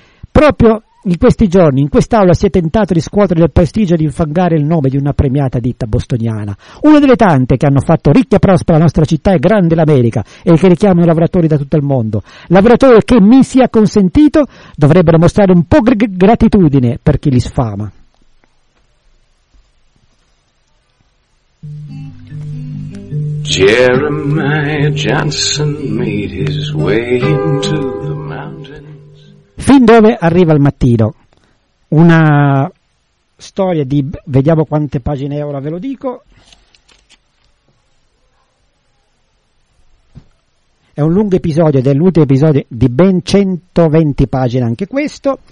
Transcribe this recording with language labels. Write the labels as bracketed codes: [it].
[it] Proprio in questi giorni, in quest'aula, si è tentato di scuotere il prestigio e di infangare il nome di una premiata ditta bostoniana, una delle tante che hanno fatto ricca e prospera la nostra città e grande l'America e che richiamano lavoratori da tutto il mondo. Lavoratori che, mi sia consentito, dovrebbero mostrare un po' di gratitudine per chi li sfama. [en] Jeremiah Johnson made his way into the mountains. [it] Fin dove arriva il mattino? Una storia di, vediamo quante pagine è, ora ve lo dico. È un lungo episodio, ed è l'ultimo episodio di ben 120 pagine anche questo.